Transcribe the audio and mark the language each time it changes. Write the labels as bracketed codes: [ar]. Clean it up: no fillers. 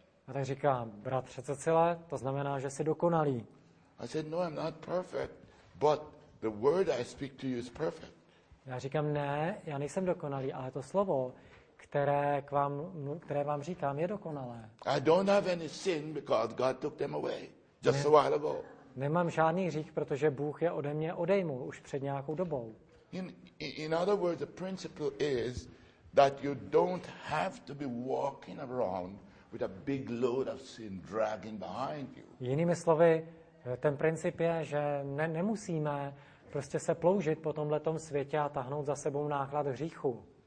[cs] A tak říkám, bratře Cecile, to znamená, že jsi dokonalý. [en] I said, "No, I'm not perfect, but the word I speak to you is perfect." [cs] Já říkám, ne, já nejsem dokonalý, ale to slovo, které vám říkám, je dokonalé. [en] I don't have any sin because God took them away just a while ago. [cs] Nemám žádný hřích, protože Bůh je ode mě odejmul už před nějakou dobou. [en] In other words, the principle is that you don't have to be walking around with a big load of sin dragging behind you. [cs] Jinými slovy, ten princip je, že nemusíme prostě se ploužit po tomhle tom světě a tahnout za sebou náklad hříchu.